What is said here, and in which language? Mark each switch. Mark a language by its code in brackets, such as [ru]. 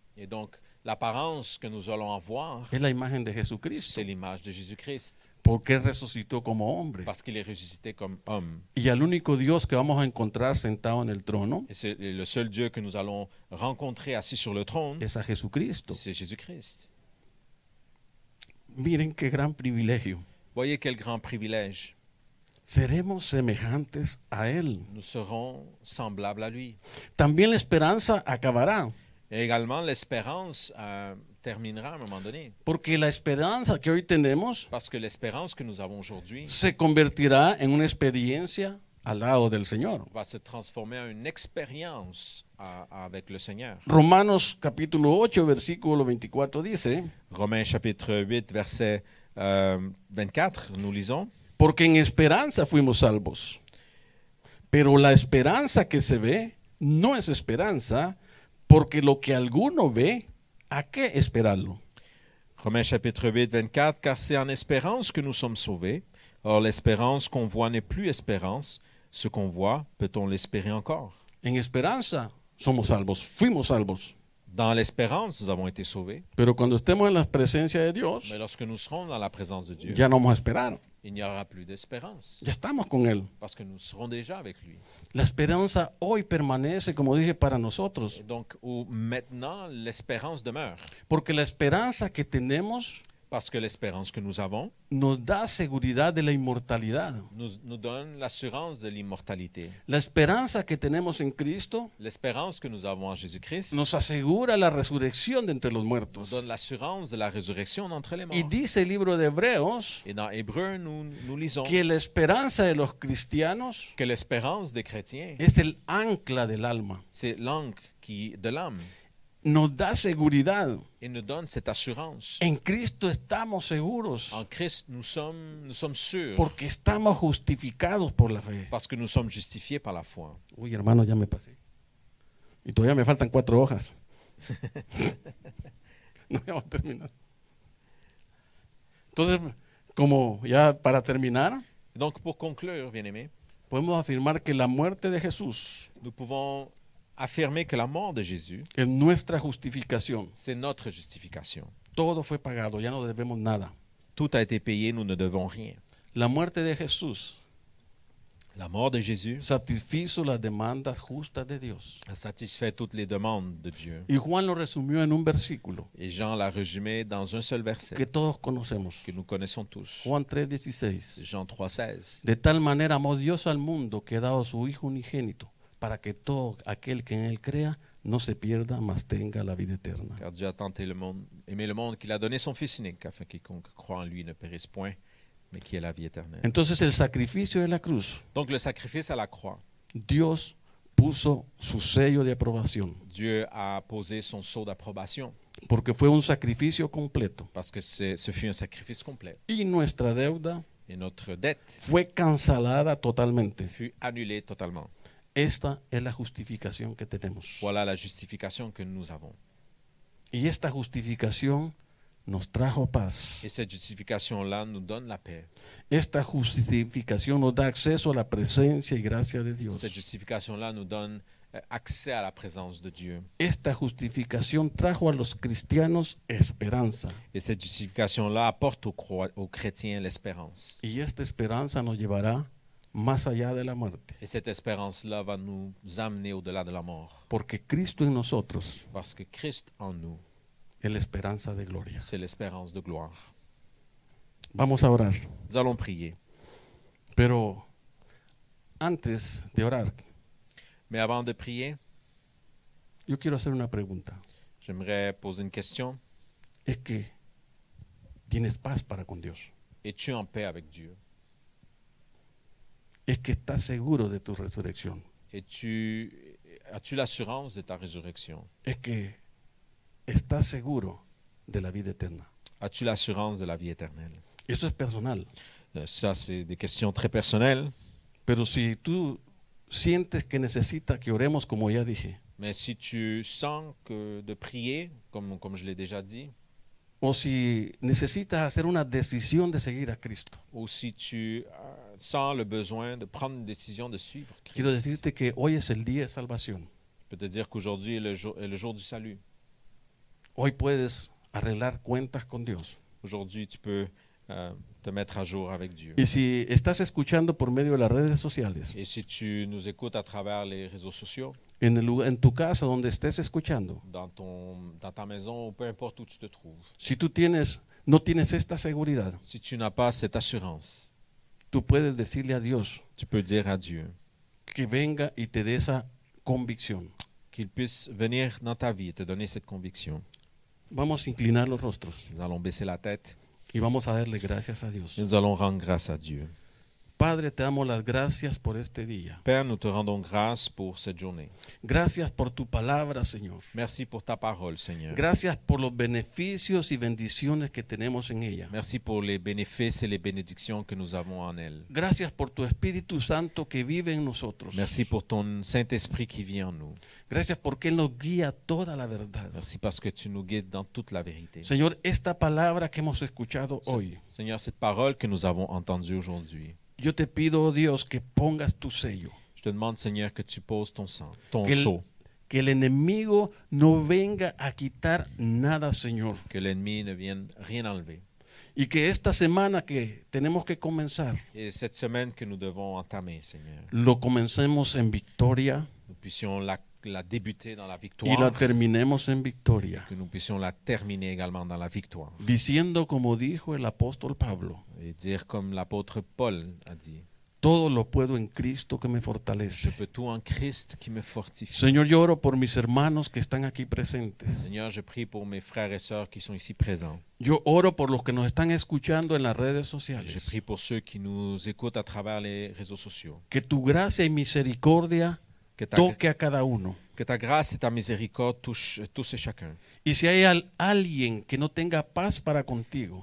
[fr] Et donc l'apparence que nous allons avoir. [es] Es la imagen de Jesucristo. [fr] C'est l'image de Jésus-Christ. [es] Porque resucitó como hombre. [fr] Parce qu'il est ressuscité comme homme. [es] Y al único Dios que vamos a encontrar sentado en el trono. [fr] Et c'est le seul Dieu que nous allons rencontrer assis sur le trône. [es] Es a Jesucristo. [fr] C'est Jésus-Christ. [es] Miren qué gran privilegio. [fr] Voyez quel grand privilège. [es] Seremos semejantes a él. [fr] Nous serons semblables à lui. [es] También la esperanza acabará. [fr] Et également l'espérance terminera à un moment donné. [es] Porque la esperanza que hoy tenemos, [fr] parce que l'espérance que nous avons aujourd'hui, [es] se convertirá en una experiencia al lado del Señor. [fr] Va se transformer en une expérience avec le Seigneur. [es] Romanos capítulo 8 versículo 24 dice, [fr] Romains chapitre 8 verset 24, nous lisons, [es] porque en esperanza fuimos salvos. Pero la esperanza que se ve no es esperanza, porque lo que alguno ve, à que espérarlo? [fr] Romains chapitre 8, 24, car c'est en espérance que nous sommes sauvés. Or, l'espérance qu'on voit n'est plus espérance. Ce qu'on voit, peut-on l'espérer encore? [es] En esperanza, somos salvos. Fuimos salvos. [fr] Dans l'espérance, nous avons été sauvés. [es] Pero cuando estemos en la presencia de Dios, [fr] mais lorsque nous serons dans la présence de Dieu, [es] ya no vamos a esperar. [fr] Il n'y aura plus d'espérance. [es] Ya estamos con él. [fr] Parce que nous serons déjà avec lui. [es] La esperanza hoy permanece, como dije, para nosotros. [fr] Et donc, où maintenant, l'espérance demeure. [es] Porque la esperanza que tenemos, [fr] parce que l'espérance que nous avons, [es] nos da seguridad de la inmortalidad. [fr] Nous donne l'assurance de l'immortalité. [es] La esperanza que tenemos en Cristo, [fr] l'espérance que nous avons en Jésus-Christ, [es] nos asegura la resurrección de entre los muertos. [fr] Nous donne l'assurance de la résurrection d'entre les morts. [es] Y dice el libro de Hebreos, [fr] et dans Hébreux nous lisons, [es] que la esperanza de los cristianos, [fr] que l'espérance des chrétiens, [es] es el ancla del alma. [fr] C'est l'ancre de l'âme. [es] nos da seguridad. [fr] Il nous donne cette assurance. [es] En Cristo estamos seguros. [fr] En Christ, nous sommes sûrs. [es] Porque estamos justificados por la fe. [fr] Parce que nous sommes justifiés par la foi. [es] Uy, hermano, ya me pasé. Y todavía me faltan 4 hojas. No voy a terminar. Entonces, como ya para terminar, [fr] donc pour conclure, bien-aimé, [es] podemos afirmar que la muerte de Jesús, [fr] nous pouvons affirmer que la mort de Jésus, [es] es nuestra justificación, [fr] c'est notre justification. [es] Todo fue pagado, ya no debemos nada. [fr] Tout a été payé, nous ne devons rien. [es] La muerte de Jesús, [fr] la mort de Jésus, [es] satisfizo las demandas justas de Dios. [fr] A satisfait toutes les demandes de Dieu. [es] Y Juan lo resumió en un versículo. [fr] Et Jean l'a résumé dans un seul verset. [es] Que todos conocemos. [fr] Que nous connaissons tous. [es] Juan 3:16. [fr] Jean 3:16. [es] De tal manera amó Dios al mundo que ha dado su Hijo unigénito, para que todo aquel que en él crea no se pierda, mas tenga la vida eterna. [fr] Car Dieu a tant aimé le monde qu'il a donné son Fils unique, afin quiconque croit en lui ne périsse point, mais qu'il ait la vie éternelle. [es] Entonces el sacrificio de la cruz. [fr] Donc le sacrifice à la croix. [es] Dios puso su sello de aprobación. [fr] Dieu a posé son sceau d'approbation. [es] Porque fue un sacrificio completo. [fr] Parce que ce fut un sacrifice complet. [es] Y nuestra deuda. [fr] Et notre dette. [es] Fue cancelada totalmente. [fr] Fut annulée totalement. [es] Esta es la justificación que tenemos. [fr] Voilà la justification que nous avons. [es] Y esta justificación nos trajo paz. [fr] Et cette justification là nous donne la paix. [es] Esta justificación nos da acceso a la presencia y gracia de Dios. [fr] Cette justification là nous donne accès à la présence de Dieu. [es] Esta justificación trajo a los cristianos esperanza. [fr] Et cette justification là apporte aux chrétiens l'espérance. [es] Y esta esperanza nos llevará más allá de la muerte. [fr] Et cette espérance là va nous amener au-delà de la mort. [es] Porque Cristo en nosotros. [fr] Parce que Christ en nous. [es] Es la esperanza de gloria. [fr] C'est l'espérance de gloire. [es] Vamos a orar. [fr] Nous allons prier. [es] Pero antes de orar. [fr] Mais avant de prier. [es] Yo quiero hacer una pregunta. [fr] J'aimerais poser une question. [es] Es que tienes paz para con Dios. [fr] Es-tu en paix avec Dieu? [es] Es que estás seguro de tu resurrección. [fr] Es-tu, as-tu l'assurance de ta résurrection? [es] Es que estás seguro de la vida eterna. [fr] As-tu l'assurance de la vie éternelle? [es] Eso es personal. [fr] Ça, c'est des questions très personnelles. [es] Pero si tú sientes que necesitas que oremos, como ya dije. [fr] Mais si tu sens que de prier, comme je l'ai déjà dit. [es] O si necesitas hacer una decisión de seguir a Cristo. [fr] O si tu sens le besoin de prendre une décision de suivre Christ. [es] Quiero decirte que hoy es el día de salvación. [fr] Je peux te dire qu'aujourd'hui est le jour du salut. [es] Hoy puedes arreglar cuentas con Dios. [fr] Aujourd'hui tu peux te mettre à jour avec Dieu. [es] Y si estás escuchando por medio de las redes sociales. [fr] Et si tu nous écoutes à travers les réseaux sociaux. [es] En tu casa donde estés escuchando. [fr] Dans ta maison ou peu importe où tu te trouves. [es] Si tú tienes no tienes esta seguridad. [fr] Si tu n'as pas cette assurance. [es] Tú puedes decirle a Dios. [fr] Tu peux dire à Dieu. [es] Que venga y te dé esa convicción. [fr] Qu'il puisse venir dans ta vie et te donner cette conviction. [es] Vamos a inclinar los rostros. [fr] Nous allons baisser la tête. [es] Y vamos a darle gracias a Dios. [fr] Nous allons rendre grâce à Dieu. [es] Padre, te damos las gracias por este día. [fr] Père, nous te rendons grâce pour cette journée. [es] Gracias por tu palabra, Señor. [fr] Merci pour ta parole, Seigneur. [es] Gracias por los beneficios y bendiciones que tenemos en ella. [fr] Merci pour les bénéfices et les bénédictions que nous avons en elle. [es] Gracias por tu Espíritu Santo que vive en nosotros. [fr] Merci pour ton Saint-Esprit qui vit en nous. [es] Gracias porque él nos guía toda la verdad. [fr] Merci parce que tu nous guides dans toute la vérité. [es] Señor, esta palabra que hemos escuchado hoy. [fr] Seigneur, cette parole que nous avons entendue aujourd'hui. [es] Yo te pido, oh Dios, que pongas tu sello. [fr] Je te demande, Seigneur, que tu poses ton sang, ton sceau. [es] Que el enemigo no venga a quitar nada, Señor. Que el enemigo no viene [fr] rien enlever. [es] Y que esta semana que tenemos que comenzar. [fr] Et cette semaine que nous devons entamer, Seigneur. [es] Lo comencemos en victoria. [fr] Nous puissions la débuter dans la victoire. [es] Y la terminemos en victoria. [fr] Que nous puissions la terminer également dans la victoire. [es] Diciendo como dijo el apóstol Pablo. [fr] Et dire comme l'apôtre Paul a dit. [es] Todo lo puedo en Cristo que me fortalece. [fr] Je peux tout en Christ qui me fortifie. [es] Señor, yo oro por mis hermanos que están aquí presentes. [fr] Señor, je prie pour mes frères et sœurs qui sont ici présents. [es] Yo oro por los que nos están escuchando en las redes sociales. [fr] Je prie pour ceux qui nous écoutent à travers les réseaux sociaux. [es] Que tu gracia y misericordia toque a cada uno. [fr] Que ta grâce et ta miséricorde touchent tous et chacun. [es] Y si hay alguien que no tenga paz para contigo.